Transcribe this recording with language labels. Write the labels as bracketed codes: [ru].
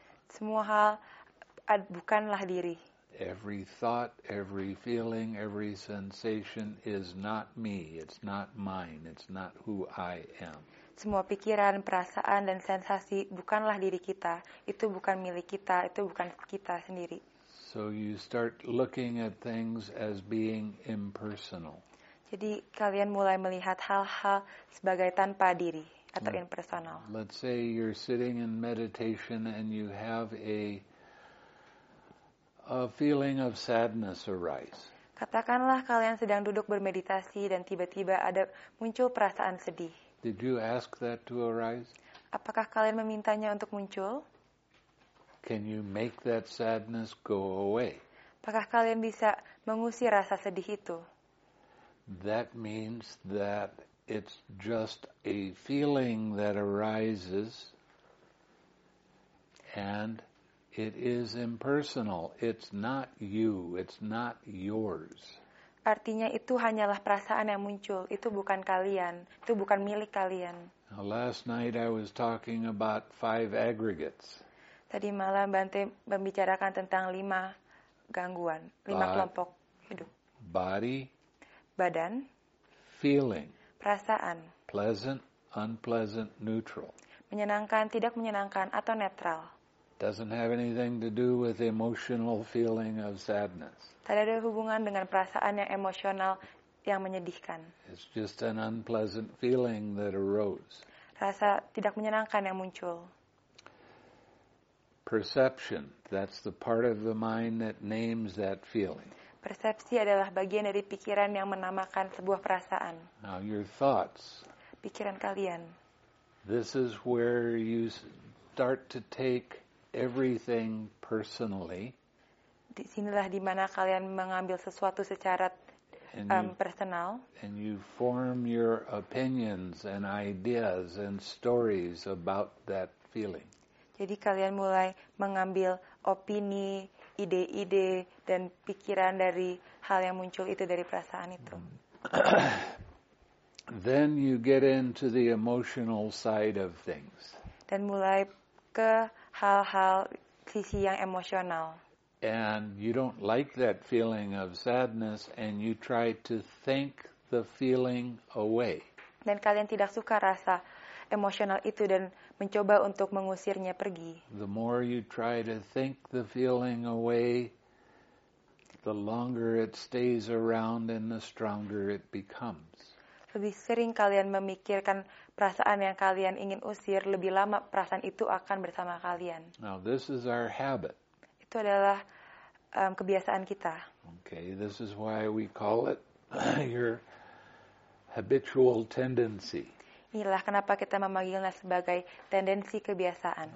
[id] Semua hal bukanlah diri. [en] Every thought, every feeling, every sensation is not me. It's not mine. It's not who I am. [id] Semua pikiran, perasaan, dan sensasi bukanlah diri kita. Itu bukan milik kita. Itu bukan kita sendiri. [en] So you start looking at things as being impersonal. [id] Jadi kalian mulai melihat hal-hal sebagai tanpa diri atau impersonal. [en] Let's say you're sitting in meditation and you have a feeling of sadness arise. [id] Katakanlah kalian sedang duduk bermeditasi dan tiba-tiba ada muncul perasaan sedih. [en] Did you ask that to arise? [id] Apakah kalian memintanya untuk muncul? [en] can you make that sadness go away? [id] Apakah kalian bisa mengusir rasa sedih itu? [en] That means that it's just a feeling that arises and it is impersonal. It's not you. It's not yours. [id] Artinya itu hanyalah perasaan yang muncul. Itu bukan kalian. Itu bukan milik kalian. [en] Now, last night I was talking about 5 aggregates. [id] Tadi malam Bante membicarakan tentang 5 gangguan, 5 kelompok hidup. [en] Body. [id] Badan. [en] Feeling. [id] Perasaan. [en] Pleasant, unpleasant, neutral. [id] Menyenangkan, tidak menyenangkan, atau netral. [en] Doesn't have anything to do with the emotional feeling of sadness. [id] Tidak ada hubungan dengan perasaan yang emosional yang menyedihkan. [en] It's just an unpleasant feeling that arose. [id] Rasa tidak menyenangkan yang muncul. [en] Perception, that's the part of the mind that names that feeling. [id] Persepsi adalah bagian dari pikiran yang menamakan sebuah perasaan. [en] Now your thoughts. [id] Pikiran kalian. [en] This is where you start to take everything personally. [id] Di sinilah di mana kalian mengambil sesuatu secara personal. [en] And you form your opinions and ideas and stories about that feeling. [id] Jadi kalian mulai mengambil opini, ide-ide dan pikiran dari hal yang muncul itu dari perasaan itu. [en] Then you get into the emotional side of things. [id] Dan mulai ke hal-hal sisi yang emosional. [en] And you don't like that feeling of sadness and you try to think the feeling away. [id] Dan kalian tidak suka rasa emosional itu dan mencoba untuk mengusirnya pergi. [en] The more you try to think the feeling away, the longer it stays around and the stronger it becomes. [id] Lebih sering kalian memikirkan perasaan yang kalian ingin usir, lebih lama perasaan itu akan bersama kalian. [en] Now this is our habit. [id] Itu adalah kebiasaan kita. [en] Okay, this is why we call it your habitual tendency. [id] Inilah kenapa kita memanggilnya sebagai tendensi kebiasaan.